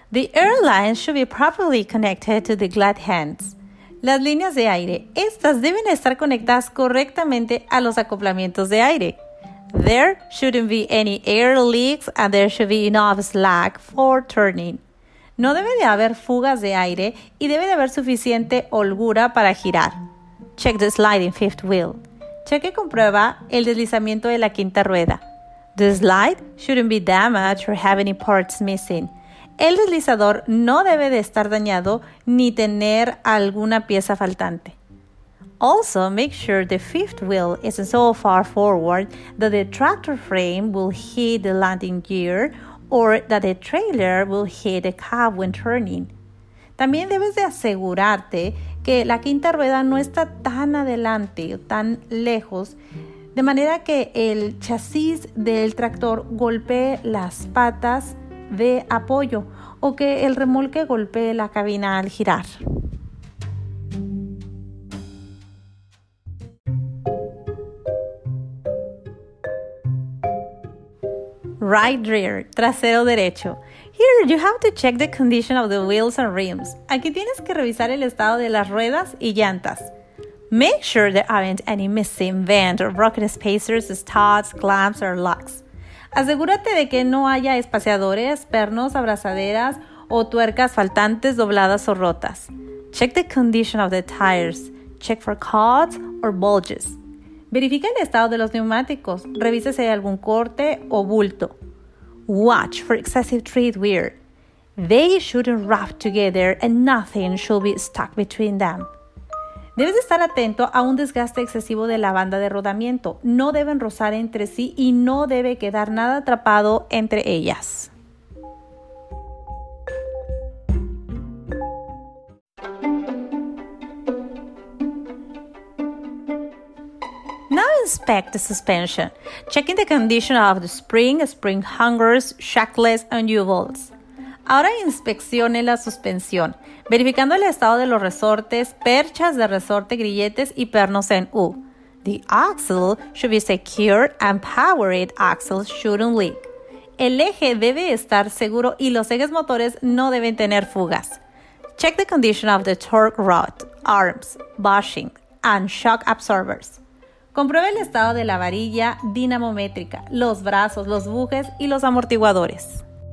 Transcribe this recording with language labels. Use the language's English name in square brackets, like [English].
[English] The air lines should be properly connected to the glide hands. [Spanish] Las líneas de aire. Estas deben estar conectadas correctamente a los acoplamientos de aire. [English] There shouldn't be any air leaks and there should be enough slack for turning. [Spanish] No debe de haber fugas de aire y debe de haber suficiente holgura para girar. [English] Check the sliding fifth wheel. [Spanish] Cheque y comprueba el deslizamiento de la quinta rueda. [English] The slide shouldn't be damaged or have any parts missing. [Spanish] el deslizador no debe de estar dañado ni tener alguna pieza faltante. [English] Also, make sure the fifth wheel is so far forward that the tractor frame will hit the landing gear or that the trailer will hit the cab when turning. [Spanish] También debes de asegurarte que la quinta rueda no está tan adelante o tan lejos, de manera que el chasis del tractor golpee las patas de apoyo o que el remolque golpee la cabina al girar. [English] Right rear, [Spanish] trasero derecho. [English] Here you have to check the condition of the wheels and rims. [Spanish] Aquí tienes que revisar el estado de las ruedas y llantas. [English] Make sure there aren't any missing vent or broken spacers, studs, clamps or locks. [Spanish] Asegúrate de que no haya espaciadores, pernos, abrazaderas o tuercas faltantes, dobladas o rotas. [English] Check the condition of the tires. Check for cuts or bulges. [Spanish] Verifica el estado de los neumáticos. Revisa si hay algún corte o bulto. [English] Watch for excessive tread wear. They shouldn't rub together and nothing should be stuck between them. [Spanish] Debes estar atento a un desgaste excesivo de la banda de rodamiento. No deben rozar entre sí y no debe quedar nada atrapado entre ellas. [English] Now inspect the suspension, checking the condition of the spring, spring hangers, shackles, and U-bolts. [Spanish] Ahora inspeccione la suspensión, verificando el estado de los resortes, perchas de resorte, grilletes y pernos en U. [English] The axle should be secure and powered axles shouldn't leak. [Spanish] El eje debe estar seguro y los ejes motores no deben tener fugas. [English] Check the condition of the torque rod, arms, bushing, and shock absorbers. [Spanish] Compruebe el estado de la varilla dinamométrica, los brazos, los bujes y los amortiguadores.